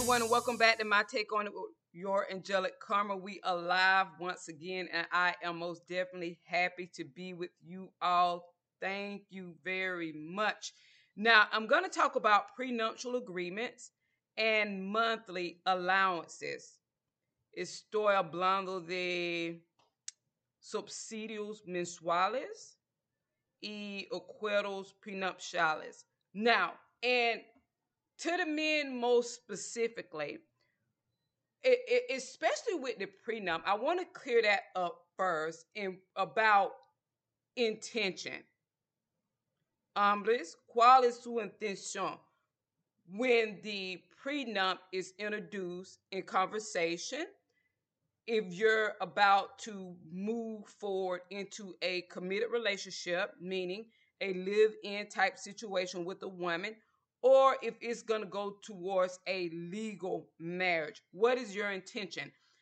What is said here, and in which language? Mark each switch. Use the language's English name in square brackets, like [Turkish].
[English] Welcome back to My Take on It with Your Angelic Karma. We alive once again, and I am most definitely happy to be with you all. Thank you very much. Now, I'm going to talk about prenuptial agreements and monthly allowances. [Spanish] Estoy hablando de subsidios mensuales y acuerdos prenupciales. [English] Now, and to the men most specifically, especially with the prenup, I want to clear that up first in about intention. [Spanish] Hombres, ¿cuál es su intención? [English] When the prenup is introduced in conversation, if you're about to move forward into a committed relationship, meaning a live-in type situation with a woman, or if it's going to go towards a legal marriage, what is your intention?